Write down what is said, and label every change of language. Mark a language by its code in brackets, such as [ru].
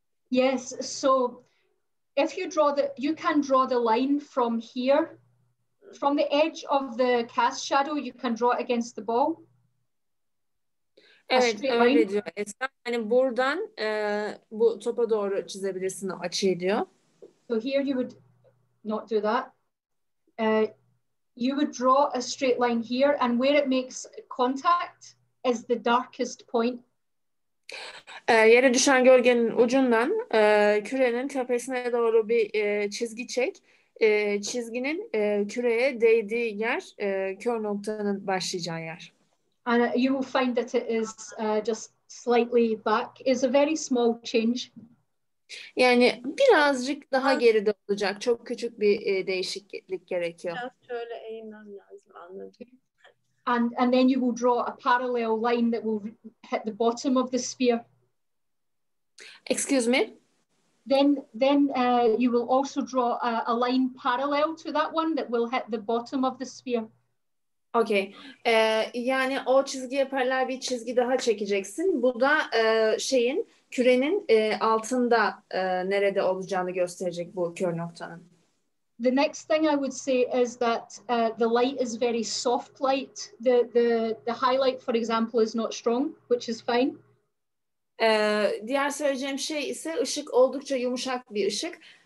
[en] Yes, so if you draw you can draw the line from here, from the edge of the cast shadow, you can draw it against the ball. [tr] Evet, öyle diyor. Yani buradan bu topa doğru çizebilirsin, açıyı diyor. [en] So here you would not do that. You would draw a straight line here, and where it makes contact is the darkest point. [tr] Yere düşen gölgenin ucundan kürenin tepesine doğru bir çizgi çek. Çizginin küreye değdiği yer kör noktanın başlayacağı yer. [en] And you will find that it is just slightly back. It's a very small change. [tr] Yani birazcık daha geride olacak. Çok küçük bir değişiklik gerekiyor. Biraz şöyle eğmem lazım, anladım. [en] And then you will draw a parallel line that will hit the bottom of the sphere. Excuse me? Then you will also draw a line parallel to that one that will hit the bottom of the sphere. Okay. [tr] Yani o çizgiye paralel bir çizgi daha çekeceksin. Bu da şeyin kürenin altında nerede olacağını gösterecek bu kör noktanın. [en] The next thing I would say is that the light is very soft light. The highlight, for example, is not strong, which is fine. [tr] Diğer söyleyeceğim şey ise ışık oldukça yumuşak bir ışık.